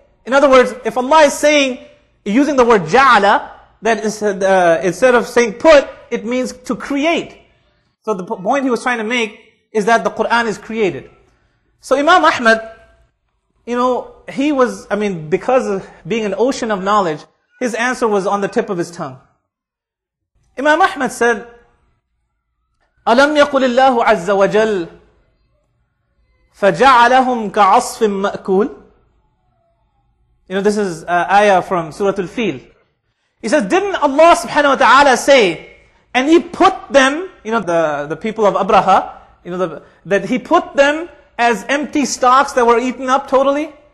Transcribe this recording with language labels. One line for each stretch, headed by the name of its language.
English: In other words, if Allah is saying, using the word ja'ala, then instead of saying put, it means to create. So the point he was trying to make is that the Quran is created. So Imam Ahmad, you know, because of being an ocean of knowledge, his answer was on the tip of his tongue. Imam Ahmad said,
Arabic: أَلَمْ يَقُلِ اللَّهُ عَزَّ وَجَلْ فَجَعَلَهُمْ كَعَصْفٍ مَأْكُولٍ.
English: You know, this is an ayah from Surah Al-Fil. He says, didn't Allah subhanahu wa ta'ala say, and He put them, you know, the people of Abraha, you know, that He put them as empty stalks that were eaten up totally?